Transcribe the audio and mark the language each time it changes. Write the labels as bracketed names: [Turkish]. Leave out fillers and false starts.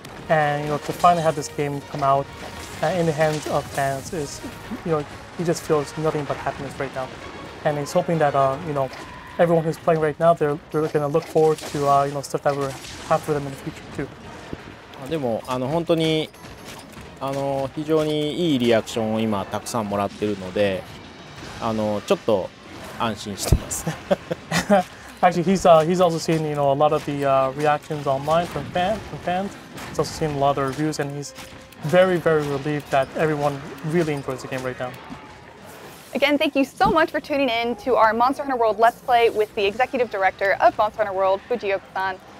[English] And, you know, to finally have this game come out in the hands of fans is, you know, he just feels nothing but happiness right now. And he's hoping that, you know, everyone who's playing right now, they're going to look forward to, you know, stuff that we'll have for them in the future too. [Japanese] でも、本当に、非常にいいリアクションを今たくさんもらってるので、ちょっと安心してます。 [English] Actually, he's also seen, you know, a lot of the、reactions online from fans. He's also seen a lot of reviews, and he's very, very relieved that everyone really enjoys the game right now. Again, thank you so much for tuning in to our Monster Hunter World Let's Play with the executive director of Monster Hunter World, Fujioka-san.